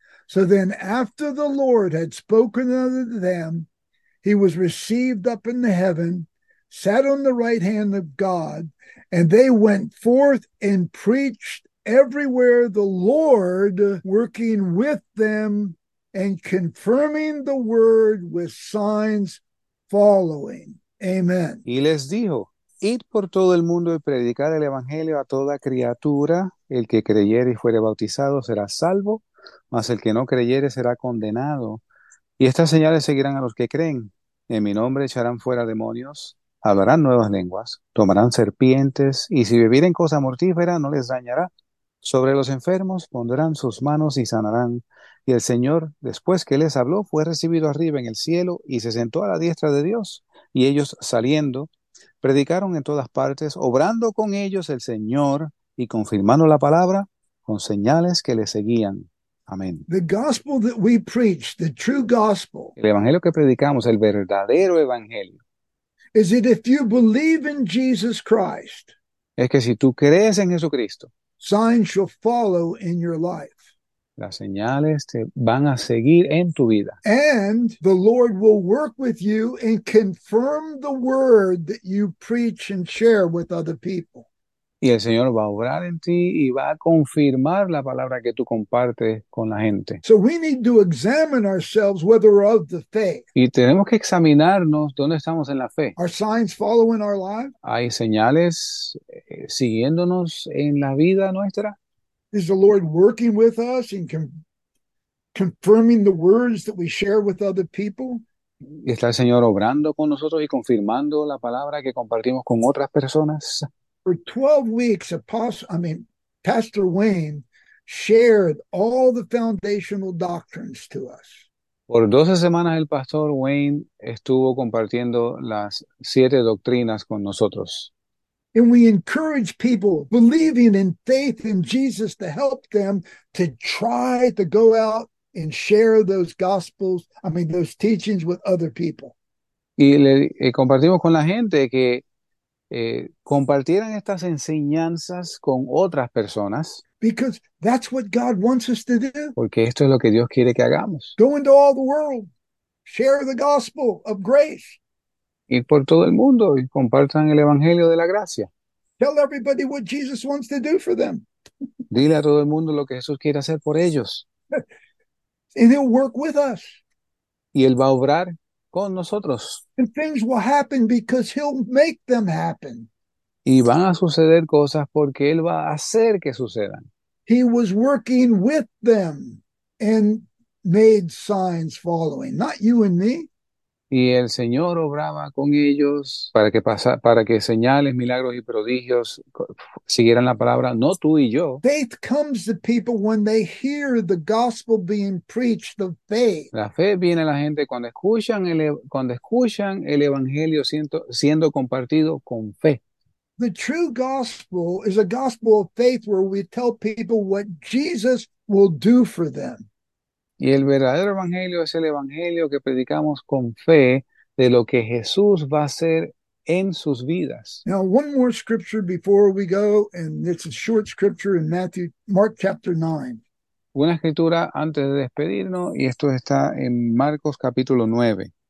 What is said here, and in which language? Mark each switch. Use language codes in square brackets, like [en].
[en] So then, after the Lord had spoken unto them, he was received up in the heaven, sat on the right hand of God, and they went forth and preached everywhere the Lord working with them and confirming the word with signs following. Amen. [es] Y les dijo: Id por todo el mundo y predicad el evangelio a toda criatura. El que creyere y fuere bautizado será salvo, mas el que no creyere será condenado. Y estas señales seguirán a los que creen. En mi nombre echarán fuera demonios, hablarán nuevas lenguas, tomarán serpientes, y si bebieren cosa mortífera no les dañará. Sobre los enfermos pondrán sus manos y sanarán. Y el Señor, después que les habló, fue recibido arriba en el cielo y se sentó a la diestra de Dios. Y ellos saliendo, predicaron en todas partes, obrando con ellos el Señor y confirmando la palabra con señales que le seguían. Amén. [en] The gospel that we preach, the true gospel, [es] El evangelio que predicamos, el verdadero evangelio, [en] is that if you believe in Jesus Christ, [es] es que si tú crees en Jesucristo, [en] signs shall follow in your life. [es] las señales te van a seguir en tu vida. [en] And the Lord will work with you and confirm the word that you preach and share with other people. [es] Y el Señor va a obrar en ti y va a confirmar la palabra que tú compartes con la gente. [en] So we need to examine ourselves whether we're of the faith. [es] Y tenemos que examinarnos dónde estamos en la fe. [en] Are signs following our life? [es] ¿Hay señales siguiéndonos en la vida nuestra? [en] Is the Lord working with us and confirming the words that we share with other people? [es] ¿Está el Señor obrando con nosotros y confirmando la palabra que compartimos con otras personas? [en] For 12 weeks, Pastor Wayne shared all the foundational doctrines to us. [es] Por 12 semanas el pastor Wayne estuvo compartiendo las siete doctrinas con nosotros. [en] And we encourage people believing in faith in Jesus to help them to try to go out and share those gospels, those teachings with other people. [es] Y compartimos con la gente que compartieran estas enseñanzas con otras personas, [en] Because that's what God wants us to do. [es] porque esto es lo que Dios quiere que hagamos. [en] Go into all the world, share the gospel of grace. [es] Ir por todo el mundo y compartan el evangelio de la gracia. [en] Tell everybody what Jesus wants to do for them. [es] Dile a todo el mundo lo que Jesús quiere hacer por ellos. [en] And he'll work with us. [es] Y él va a obrar con nosotros. [en] And things will happen because he'll make them happen. [es] Y van a suceder cosas porque él va a hacer que sucedan. [en] He was working with them and made signs following, not you and me. [es] Y el Señor obraba con ellos para que pasa, para que señales, milagros y prodigios siguieran la palabra, no tú y yo. [en] Faith comes to people when they hear the gospel being preached, the faith. [es] La fe viene a la gente cuando escuchan el evangelio siendo compartido con fe. [en] The true gospel is a gospel of faith where we tell people what Jesus will do for them. [es] Y el verdadero evangelio es el evangelio que predicamos con fe de lo que Jesús va a hacer en sus vidas. [en] Now, one more scripture before we go, and it's a short scripture in Matthew, Mark chapter 9. [es] Una escritura antes de despedirnos, y esto está en Marcos capítulo 9,